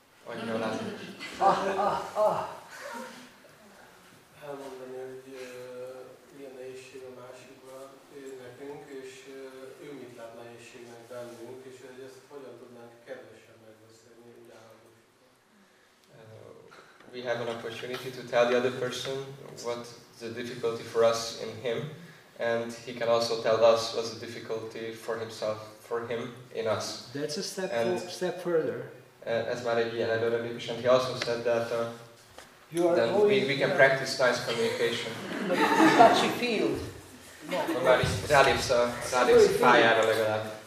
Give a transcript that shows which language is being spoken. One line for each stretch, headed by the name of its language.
English: Oh, you know that.
Hungarian: Elmondani, hogy milyen nehézség a másikra nekünk, és ő mit lát nehézségnek bennünk, és hogy ezt hogyan tudnánk kedvesen megbeszélni, ugyanakkor.
English: We have an opportunity to tell the other person what the difficulty for us in him, and he can also tell us what's the difficulty for himself, for him in us. That's a step step further.
Hungarian: Ez már egy ilyen előrelépés,
English: and he also said that we can practice nice communication. Touchy field.
Hungarian: Már így rálépsz a pályára legalább.